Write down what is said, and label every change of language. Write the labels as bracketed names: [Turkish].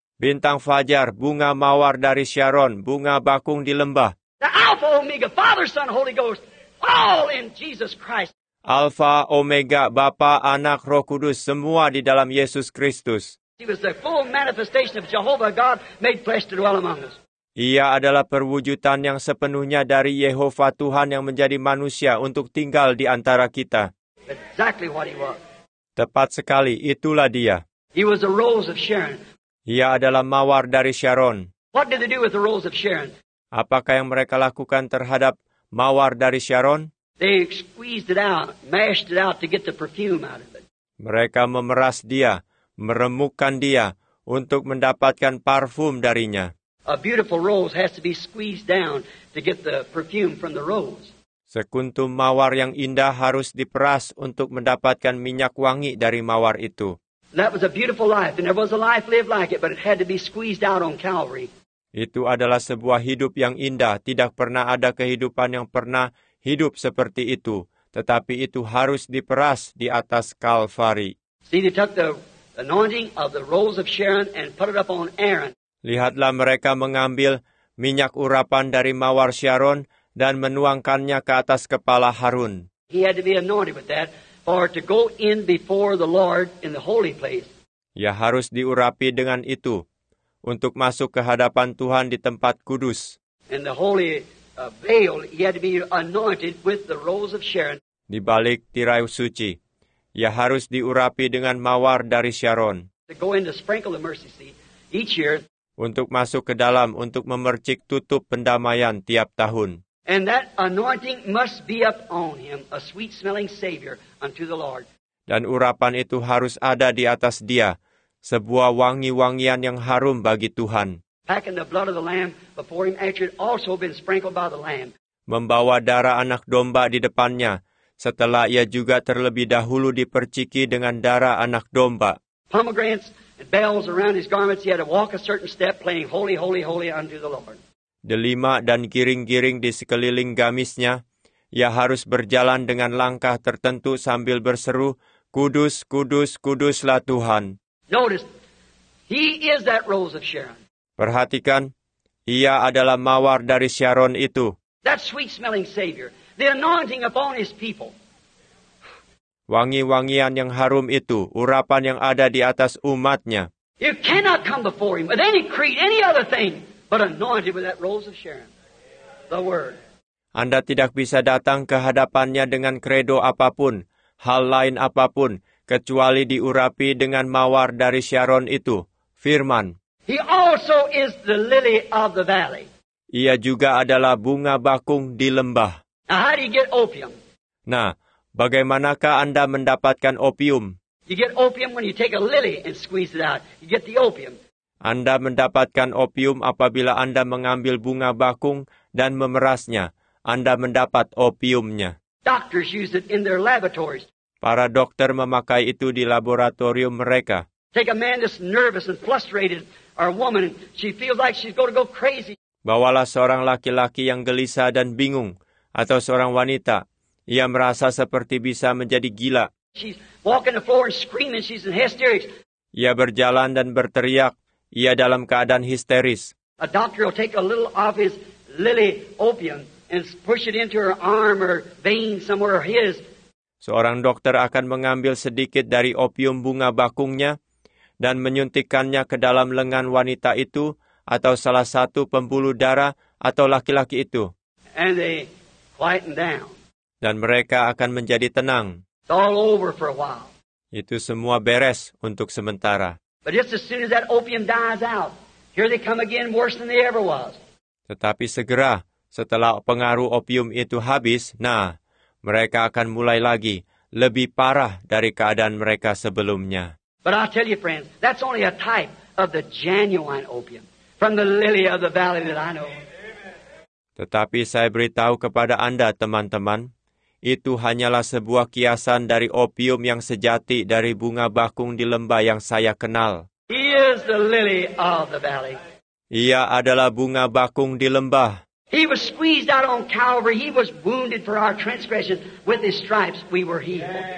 [Indonesian] Bintang fajar, bunga mawar dari Sharon, bunga bakung di lembah. [English] The Alpha Omega, Father, Son, Holy Ghost, all in Jesus Christ. [Indonesian] Alpha Omega, Bapa, Anak, Roh Kudus, semua di dalam Yesus Kristus. [English] He was the full manifestation of Jehovah God made flesh to dwell among us. [Indonesian] Ia adalah perwujudan yang sepenuhnya dari Yehova Tuhan yang menjadi manusia untuk tinggal di antara kita. [English] Exactly what he was. [Indonesian] Tepat sekali, itulah dia. [English] He was the rose of Sharon. [Indonesian] Ia adalah mawar dari Sharon. [English] What did they do with the rose of Sharon? [Indonesian] Apakah yang mereka lakukan terhadap mawar dari Sharon? [English] They squeezed it out, mashed it out to get the perfume out of it. [Indonesian] Mereka memeras dia, meremukkan dia untuk mendapatkan parfum darinya. [English] A beautiful rose has to be squeezed down to get the perfume from the rose. [Indonesian] Sekuntum mawar yang indah harus diperas untuk mendapatkan minyak wangi dari mawar itu. [English] That was a beautiful life, and there was a life lived like it, but it had to be squeezed out on Calvary. [Indonesian] Itu adalah sebuah hidup yang indah. Tidak pernah ada kehidupan yang pernah hidup seperti itu. Tetapi itu harus diperas di atas Calvary. [English] See, they took the anointing of the rose of Sharon and put it up on Aaron. [Indonesian] Lihatlah mereka mengambil minyak urapan dari mawar Sharon dan menuangkannya ke atas kepala Harun. [English] He had to be anointed with that for to go in before the Lord in the holy place. [Indonesian] Ya, harus diurapi dengan itu untuk masuk ke hadapan Tuhan di tempat kudus. [English] In the holy veil, he had to be anointed with the rose of Sharon. [Indonesian] Di balik tirai suci, ya harus diurapi dengan mawar dari Sharon. [English] To go in to sprinkle the mercy seat each year. [Indonesian] Untuk masuk ke dalam, untuk memercik tutup pendamaian tiap tahun. [English] And that anointing must be up on him, a sweet-smelling savior unto the Lord. [Indonesian] Dan urapan itu harus ada di atas dia, sebuah wangi-wangian yang harum bagi Tuhan. [English] Packing the blood of the lamb before him, after it also been sprinkled by the lamb. [Indonesian] Membawa darah anak domba di depannya, setelah ia juga terlebih dahulu diperciki dengan darah anak domba. [English] Pomegranates and bells around his garments, he had to walk a certain step, playing holy, holy, holy unto the Lord. [Indonesian] Delima dan giring-giring di sekeliling gamisnya, ia harus berjalan dengan langkah tertentu sambil berseru, kudus, kudus, kuduslah Tuhan. [English] Notice, he is that rose of Sharon. [Indonesian] Perhatikan, ia adalah mawar dari Sharon itu. [English] That sweet-smelling savior, the anointing upon his people. [Indonesian] Wangi-wangian yang harum itu, urapan yang ada di atas umatnya. [English] You cannot come before him with any creed, any other thing, but anointed with that rose of Sharon, the word. [Indonesian] Anda tidak bisa datang ke hadapannya dengan credo apapun, hal lain apapun, kecuali diurapi dengan mawar dari Sharon itu, firman. [English] He also is the lily of the valley. [Indonesian] Ia juga adalah bunga bakung di lembah. [English] Now, how do you get opium? [Indonesian] Nah, bagaimanakah Anda mendapatkan opium? [English] You get opium when you take a lily and squeeze it out. You get the opium. [Indonesian] Anda mendapatkan opium apabila Anda mengambil bunga bakung dan memerasnya. Anda mendapat opiumnya. [English] Doctors use it in their laboratories. [Indonesian] Para dokter memakai itu di laboratorium mereka. [English] Take a man that's nervous and frustrated, or a woman, she feels like she's going to go crazy. [Indonesian] Bawalah seorang laki-laki yang gelisah dan bingung, atau seorang wanita. Ia merasa seperti bisa menjadi gila. [English] She's walking the floor and screaming, she's in hysterics. [Indonesian] Ia berjalan dan berteriak. Ia dalam keadaan histeris. [English] A doctor will take a little of his lily opium and push it into her arm or vein somewhere of his. [Indonesian] Seorang dokter akan mengambil sedikit dari opium bunga bakungnya dan menyuntikkannya ke dalam lengan wanita itu atau salah satu pembuluh darah atau laki-laki itu. [English] And they quieten down. [Indonesian] Dan mereka akan menjadi tenang. [English] It's all over for a while. [Indonesian] Itu semua beres untuk sementara. [English] But just as soon as that opium dies out, here they come again worse than they ever was. [Indonesian] Tetapi segera, setelah pengaruh opium itu habis, nah, mereka akan mulai lagi, lebih parah dari keadaan mereka sebelumnya. [English] But I'll tell you, friends, that's only a type of the genuine opium from the lily of the valley that I know. [Indonesian] Tetapi saya beritahu kepada Anda, teman-teman, itu hanyalah sebuah kiasan dari opium yang sejati dari bunga bakung di lembah yang saya kenal. [English] He is the lily of the valley. [Indonesian] Ia adalah bunga bakung di lembah. [English] He was squeezed out on Calvary. He was wounded for our transgressions. With his stripes we were healed.